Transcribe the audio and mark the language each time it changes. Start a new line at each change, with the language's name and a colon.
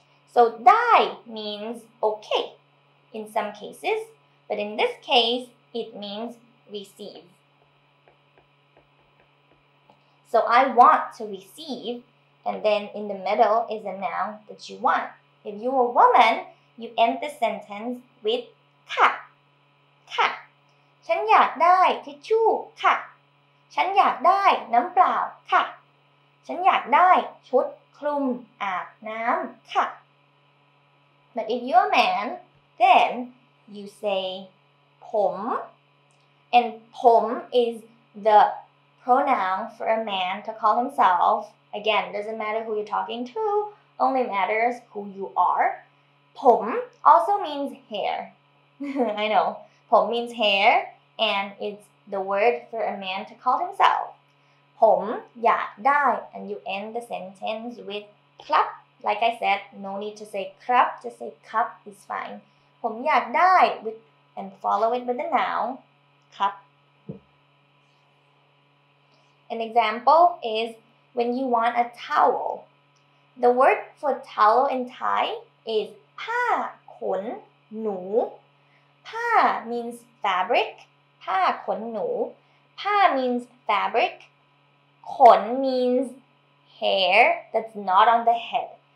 English: So dai means okay in some cases, but in this case it means receive. So I want to receive And then in the middle is a noun that you want. If you're a woman, you end the sentence with ka. Ka.
Thai: ฉันอยากได้ทิชชู่ค่ะ ฉันอยากได้น้ำเปล่าค่ะ ฉันอยากได้ชุดคลุมอาบน้ำค่ะ
English: But if you're a man, then you say ผม And ผม is the pronoun for a man to call himself. Again, doesn't matter who you're talking to, only matters who you are. ผม also means hair. I know. ผม means hair, and it's the word for a man to call himself.
Thai: ผมอยากได้,
English: and you end the sentence with ครับ. Like I said, no need to say ครับ, just say ครับ is fine.
Thai: ผมอยากได้,
English: with, and follow it with the noun, ครับ. An example is when you want a towel. The word for towel in Thai is ผ้าขนหนู. ผ้า means fabric, ผ้าขนหนู, ผ้า means fabric, ขน means hair that's not on the head.